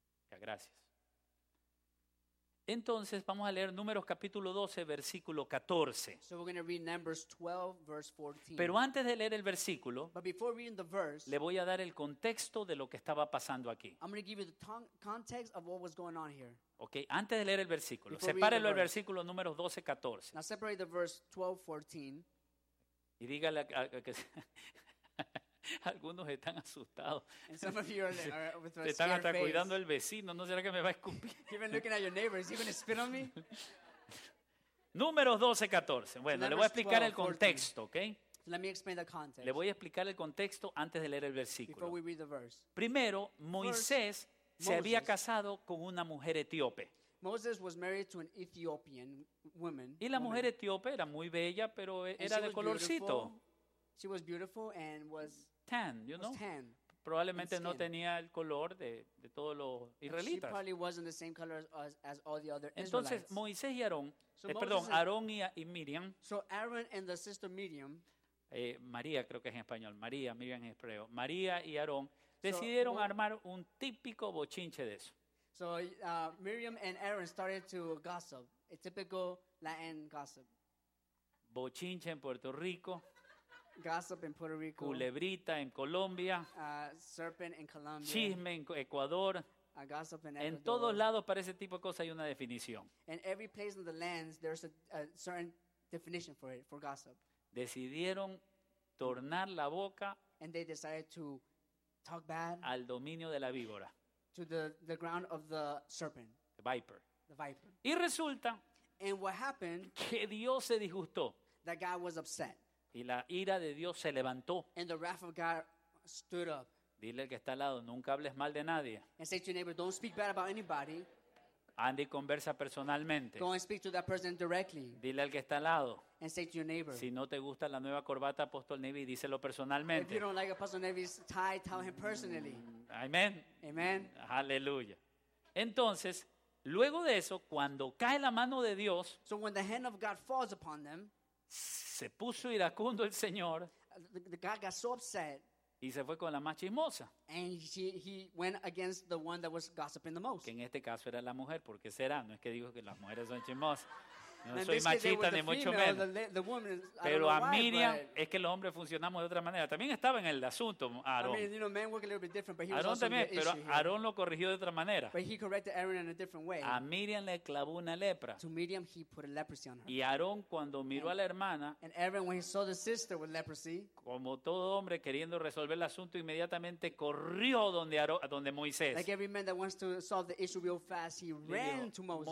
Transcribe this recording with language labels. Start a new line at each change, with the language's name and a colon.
Spanish: Ya, gracias. Entonces, vamos a leer Números capítulo 12, versículo 14.
English: So we're going to read Numbers 12, verse 14.
Spanish: Pero antes de leer el versículo,
English: but before reading the verse,
Spanish: le voy a dar el contexto de lo que estaba pasando aquí.
English: I'm going to give you the context of what was going on here.
Spanish: Okay, antes de leer el versículo. Sepárelo el versículo Números 12, 14.
English: Now separate the verse 12, 14.
Spanish: Y dígale que algunos están asustados.
English: And some of you are with a
Spanish: están hasta
English: face.
Spanish: Cuidando al vecino. ¿No será que me va a escupir?
English: Even looking at your neighbor, is he going to spit on me?
Spanish: Números 12, 14. Bueno,
English: Numbers
Spanish: le voy a explicar 12, el contexto, 14. ¿Ok?
English: So let me explain the context.
Spanish: Le voy a explicar el contexto antes de leer el versículo.
English: Before we read the verse.
Spanish: Primero, Moisés se había casado con una mujer etíope.
English: Moses was married to an Ethiopian woman.
Spanish: Y la mujer etíope era muy bella, pero era de colorcito.
English: Beautiful. She was beautiful and was tan, you know? Tan.
Spanish: Probablemente no tenía el color de todos los israelitas.
English: She probably wasn't the same color as all the other Israelites.
Spanish: Entonces Moisés y Aarón, Aarón y Miriam. So Aaron and the sister Miriam. María creo que es en español. María, Miriam en hebreo. María y Aarón decidieron armar un típico bochinche de eso.
English: So Miriam and Aaron started to gossip, a typical Latin gossip.
Spanish: Bochinche en Puerto Rico.
English: Gossip in Puerto Rico.
Spanish: Culebrita en Colombia.
English: Serpent in Colombia.
Spanish: Chisme en Ecuador.
English: Gossip in Ecuador.
Spanish: En todos lados para ese tipo de cosas hay una definición.
English: In every place in the lands there's a certain definition for it, for gossip.
Spanish: Decidieron tornar la boca
English: and they decided to talk bad.
Spanish: Al dominio de la víbora.
English: To the ground of the serpent. The viper. The viper.
Spanish: Y resulta.
English: And what happened?
Spanish: Que Dios se disgustó.
English: That God was upset.
Spanish: Y la ira de Dios se levantó.
English: And the wrath of God stood up.
Spanish: Dile al que está al lado, nunca hables mal de nadie.
English: And say to your neighbor, don't speak bad about anybody.
Spanish: Andy conversa personalmente.
English: Go and speak to that person directly.
Spanish: Dile al que está al lado.
English: And say to your neighbor.
Spanish: Si no te gusta la nueva corbata, Apostol Nevi, díselo personalmente.
English: If you don't like Apostle Nevi's tie, tell him personally.
Spanish: Amen.
English: Amen.
Spanish: Aleluya. Entonces, luego de eso, cuando cae la mano de Dios,
English: so when the hand of God falls upon them,
Spanish: se puso iracundo el Señor.
English: The God got so upset.
Spanish: Y se fue con la más chismosa.
English: And he went against the one that was gossiping the most.
Spanish: Que en este caso era la mujer, porque será. No es que digo que las mujeres son chismosas. No soy machista ni mucho menos. Pero a Miriam, es que los hombres funcionamos de otra manera. También estaba en el asunto, Aarón.
English: I mean, you know, men work a little bit different, but he
Spanish: Aarón
English: was also
Spanish: también,
English: the
Spanish: pero
English: issue
Spanish: Aarón
English: here.
Spanish: Lo corrigió de otra manera.
English: But he corrected Aaron in a different way.
Spanish: A Miriam le clavó una lepra.
English: To Miriam, he put a leprosy on her.
Spanish: Y Aarón, cuando miró a la hermana,
English: and Aaron, when he saw the sister with leprosy,
Spanish: como todo hombre queriendo resolver el asunto, inmediatamente corrió donde Aarón, donde Moisés.
English: Like every man that wants to solve the issue real fast, he ran to Moses.